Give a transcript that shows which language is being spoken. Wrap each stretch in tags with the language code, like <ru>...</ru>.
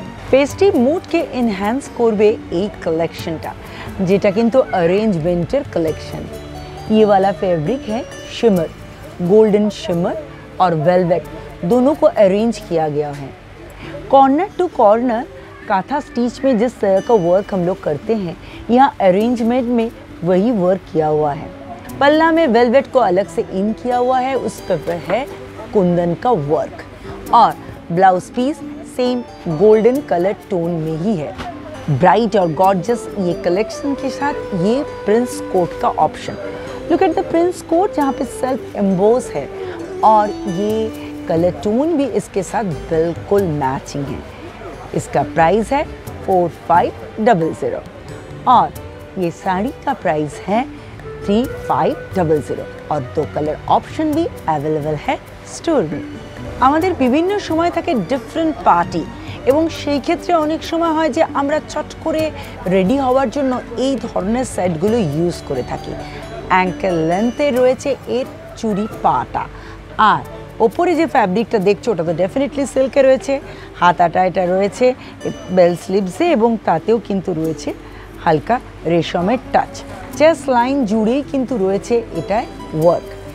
<bn>Pastry মুডকে enhance করবে এই কালেকশনটা যেটা কিন্তু অ্যারেঞ্জমেন্টের কালেকশন ইয়েওয়ালা ফেব্রিক হ্যাঁ শিমর গোল্ডেন শিমর আর ভেলভেট</bn> <hi>दोनों को अरेंज किया गया है कॉर्नर टू कॉर्नर काथा स्टिच में जिस तरह का वर्क हम लोग करते हैं यहाँ अरेंजमेंट में वही वर्क किया हुआ है पल्ला में वेलवेट को अलग से इन किया हुआ है, उस पर है कुंदन का वर्क और blouse piece same golden colour tone में ही है। ब्राइट और गॉर्जियस ये कलेक्शन के साथ ये प्रिंस कोट का option,</hi> <en>look at the prince coat</en> <hi>जहाँ पे सेल्फ एम्बोस है और ये कलर टोन भी इसके साथ बिल्कुल मैचिंग है। इसका प्राइस है 4500 और ये साड़ी का प्राइस है 3500 और दो कलर ऑप्शन भी अवेलेबल है स्टोर में।</hi> <bn>আমাদের বিভিন্ন সময় থাকে ডিফারেন্ট পার্টি এবং সেই ক্ষেত্রে অনেক সময় হয় যে আমরা চট করে রেডি হওয়ার জন্য এই ধরনের সেটগুলো ইউজ করে থাকি। অ্যাঙ্কেল লেন্থে রয়েছে এর চুড়ি পাটা আর ওপরে যে ফ্যাব্রিকটা দেখছো ওটা তো ডেফিনেটলি সিল্কে রয়েছে, হাত আটাইটা রয়েছে বেল স্লিভসে এবং তাতেও কিন্তু রয়েছে হালকা রেশমের টাচ, জাস্ট লাইন জুড়েই কিন্তু রয়েছে এটায় ওয়ার্ক।</bn>